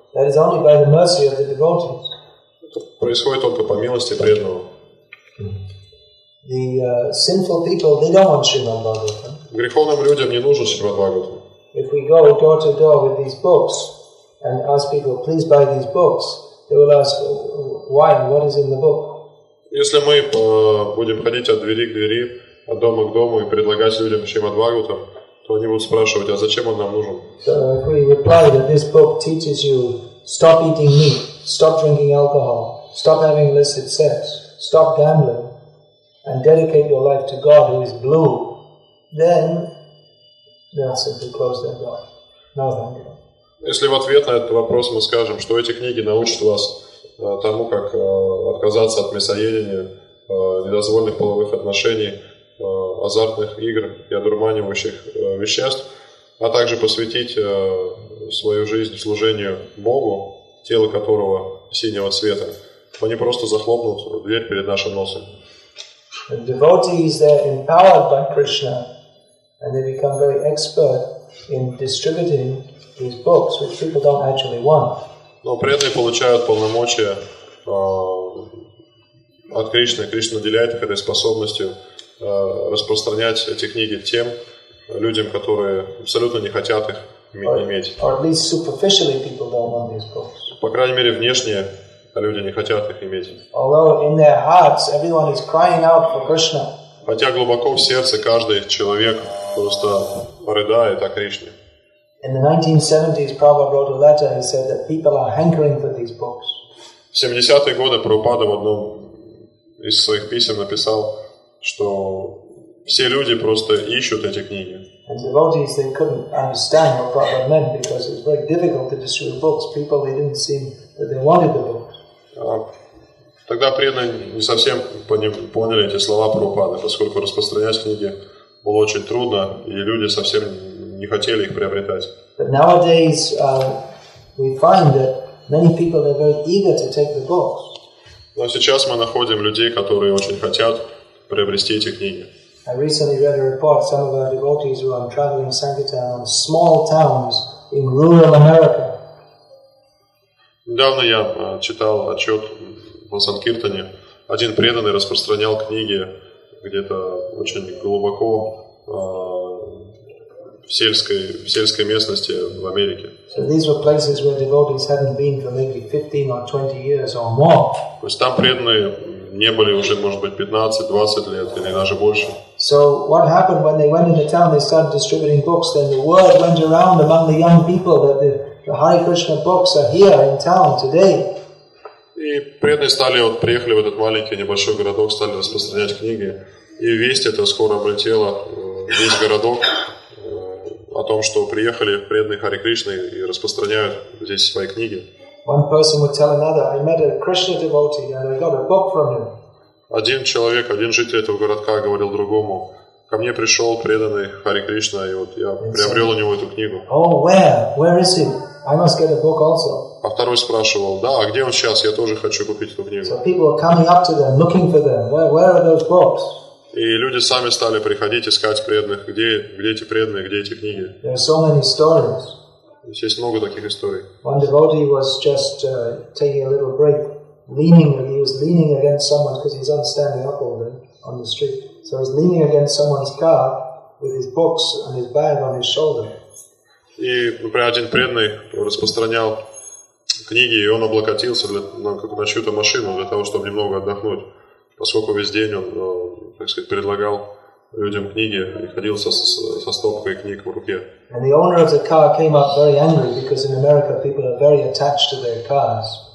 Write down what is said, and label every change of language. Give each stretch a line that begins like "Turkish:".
English: That is only by the mercy of the devotees.
Russian: Происходит только по милости преданного.
English: The sinful people, they don't want Shrimad Bhagavatam.
Russian: Греховным людям не нужен Шримад Бхагаватам.
English: If we go door to door with these books and ask people, please buy these books, they will ask, why? What is in the book?
Russian: Если мы будем ходить от двери к двери, от дома к дому и предлагать людям Шримад Бхагаватам, то они будут спрашивать, а зачем он нам нужен?
English: So if we reply that this book teaches you stop eating meat, stop drinking alcohol, stop having illicit sex, stop gambling, and dedicate your life to God who is blue, then they'll simply close their door. No, thank you.
Russian: Если в ответ на этот вопрос мы скажем, что эти книги научат вас тому, как отказаться от мясоедения, недозволенных половых отношений, азартных игр и одурманивающих веществ, а также посвятить свою жизнь служению Богу, тело которого синего цвета, они просто захлопнут дверь перед нашим носом.
English: The devotees, they're empowered by Krishna, and they become very expert in distributing these books, which people don't actually want.
Russian: Но преданные получают полномочия от Кришны. Кришна наделяет их этой способностью распространять эти книги тем людям, которые абсолютно не хотят их иметь.
English: Or at least superficially people don't want these books.
Russian: По крайней мере, внешне люди не хотят их иметь.
English: Although in their hearts everyone is crying out for Krishna.
Russian: Хотя глубоко в сердце каждый человек просто рыдает о Кришне.
English: In the 1970s, Prabhupada wrote a letter. He said that people are hankering for these books.
Russian: В 70-е годы Прабхупада в одном из своих писем написал, что все люди просто ищут эти книги.
English: And devotees, they couldn't understand what Prabhupada meant because it's very difficult to distribute books. People, they didn't seem that they wanted the books.
Russian: Тогда преданные не совсем поняли эти слова Прабхупады, поскольку распространять книги было очень трудно, и люди совсем не хотели их приобретать.
English: But nowadays, we find that many people are very eager to take the books.
Russian: Но сейчас мы находим людей, которые очень хотят приобрести эти книги.
English: I recently read a report. Some of our devotees were on traveling sankirtan on small towns in rural America.
Russian: Недавно я читал отчет о санкиртане. Один преданный распространял книги где-то очень глубоко в сельской местности в Америке.
English: So these were places where devotees hadn't been for maybe 15 or 20 years or more.
Russian: То есть там преданные не были уже, может быть, 15-20 лет или даже больше.
English: So what happened when they went into town, they started distributing books, then the word went around among the young people that the Hare Krishna books are here in town today.
Russian: И преданные стали, вот приехали в этот маленький небольшой городок, стали распространять книги, и весть эта скоро облетела весь городок о том, что приехали преданные Хари Кришны и распространяют здесь свои книги.
English: One person would tell another, I met a Krishna devotee and I got a book from him.
Russian: Один человек, один житель этого городка говорил другому, ко мне пришел преданный Хари Кришна, и вот я приобрел у него эту книгу.
English: Oh, where is he? I must get a book also.
Russian: А второй спрашивал, да, а где он сейчас? Я тоже хочу купить эту книгу.
English: So people are coming up to them, looking for them. Where are those books?
Russian: И люди сами стали приходить искать преданных. Где эти преданные, где эти книги?
English: There are so many stories.
Russian: Здесь есть много таких историй.
English: One devotee was just taking a little break, leaning. He was leaning against someone because he's standing up all day on the street. So he was leaning against someone's car with his books and his bag on his shoulder.
Russian: И, например, один преданный распространял книги, и он облокотился на чью-то машину для того, чтобы немного отдохнуть, поскольку весь день он, так сказать, предлагал людям книги и ходил со стопкой книг в руке.
English: And the owner of the car came up very angry because in America people are very attached to their cars.